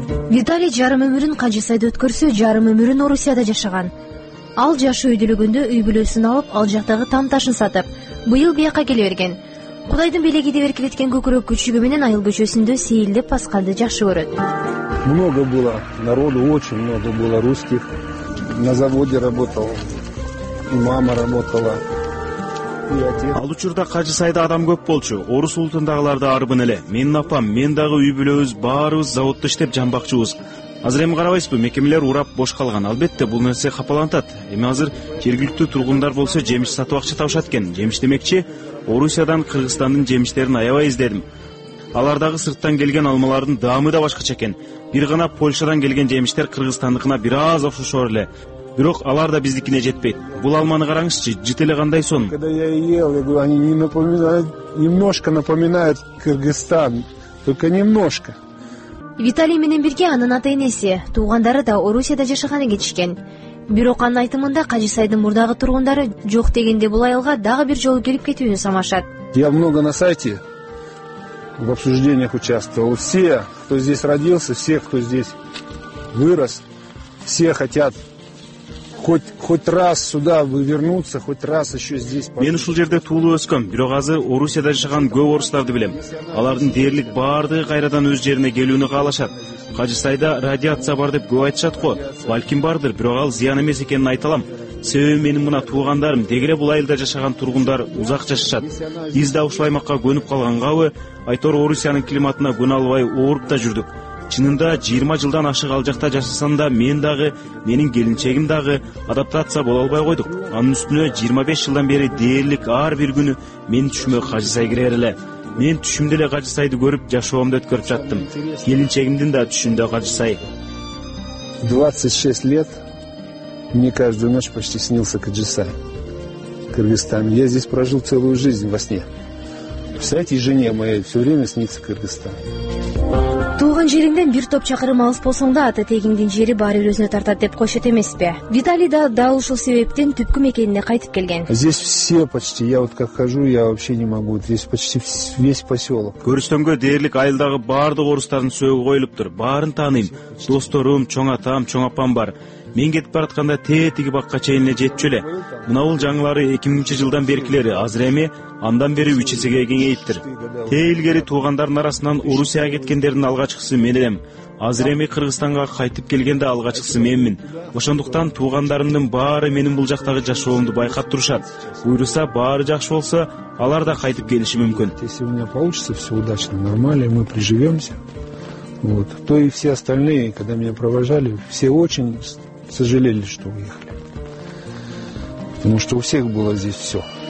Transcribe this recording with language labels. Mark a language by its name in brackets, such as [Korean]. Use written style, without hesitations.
[Kyrgyz] Виталий жарым өмүрүн Кажысайда өткөрсө, жарым өмүрүн Орусияда жашаган. Ал жашы үйдүлүгүндө үй бүлөсүн алып, ал жактагы там ташын сатып, быйыл бияка келе берген. Кудайдын белеги деп эркелеткен көкүрөк күчүгү менен айыл көчөсүндө сейилдеп басканды жакшы көрөт. [Russian] Много было народу, очень много было русских. На заводе работал, мама работала. предприятия. [Kyrgyz] Ал учурда кажы сайда адам көп болчу. Орус улутундагыларды арбын эле. Менин апам, мен дагы үй бүлөбүз, баарыбыз заводто иштеп жанбакчыбыз. Азыр эми карабайсызбы, мекемелер урап бош калган. Албетте бул нерсе капалантат. Эми азыр жергиликтүү тургундар болсо жемиш сатып акча табышат экен. Жемиш демекчи, Орусиядан Кыргызстандын жемиштерин аябайбыз дедим. Алар дагы сырттан келген алмалардын даамы да башкача экен. Бир гана Польшадан келген жемиштер Кыргызстандыкына бир аз окшошор эле. Бирок алар да биздикине жетпейт. Бул алманы караңызчы, жыты эле кандай сонун. [Russian] Когда я ел, я говорю, они не напоминают, немножко напоминают Кыргызстан, только немножко. [Kyrgyz] Виталий менен бирге анын ата-энеси, туугандары да Орусияда жашаганы кечишкен. Бирок анын айтымында Кажысайдын мурдагы тургундары жок дегенде бул айылга дагы бир жолу келип кетүүнү самашат. [Russian] Я много на сайте в обсуждениях участвовал. Все, кто здесь родился, все, кто здесь вырос, все хотят хоть раз сюда вернуться, хоть раз еще здесь. [Kyrgyz] Мен ушул жерде туулуп өскөм, бирок азыр Орусияда жашаган көп орустарды билем. Алардын дээрлик баардыгы кайрадан өз жерине келүүнү каалашат. Кажысайда радиация бар деп көп айтышат го. Балким бардыр, бирок ал зыян эмес экенин айта алам. Себеби менин мына туугандарым, деги эле бул айылда жашаган тургундар узак жашашат. Биз да ушул аймакка көнүп калгангабы, айтор Орусиянын климатына көнө албай ооруп да жүрдүк. Чынында 20 жылдан ашык ал жакта жашасам да, мен дагы, менин келинчегим дагы адаптация боло албай койдук. Анын үстүнө 25 жылдан бери дээрлик ар бир күнү менин түшүмө Кажысай кирер эле. Мен түшүмдө эле Кажысайды көрүп, жашоомду өткөрүп жаттым. Келинчегимдин да түшүндө Кажысай. [Russian] 26 лет мне каждую ночь почти снился Кажысай. [Kyrgyz] Кыргызстан. [Russian] Я здесь прожил целую жизнь во сне. Представляете, жене моей все время снится Кыргызстан. [Kyrgyz] Тууган жериңден бир топ чакырым алыс болсоң да, ата тегиңдин жери баары бир өзүнө тартат деп коюшат эмеспи? Виталий да дал ушул себептен түпкү мекенине кайтып келген. [Russian] Здесь все почти, я вот как хожу, я вообще не могу. Здесь почти весь поселок. [Kyrgyz] Көрүстөмгө дээрлик айылдагы баардык орустардын сөөгү коюлуптур. Баарын тааныйм. Досторум, чоң атам, чоң апам бар. Мен кетип баратканда тээтиги бакка чейине жетчү эле. Мына бул жаңылары 2000 жылдан беркилери, азыр эми андан бери 3 эсеге кеңейиптир. Тээ илгери туугандардын арасынан Орусияга кеткендердин алгачкысы мен элем. Азыр эми Кыргызстанга кайтып келгенде алгачкысы менмин. Ошондуктан туугандарымдын баары менин бул жактагы жашоомду байкап турушат. Буйруса баары жакшы болсо, алар да кайтып келиши мүмкүн. [Russian] Если у меня получится, все удачно, нормально, мы приживемся. Вот. То и все остальные, когда меня провожали, все очень сожалели, что уехали. Потому что у всех было здесь все.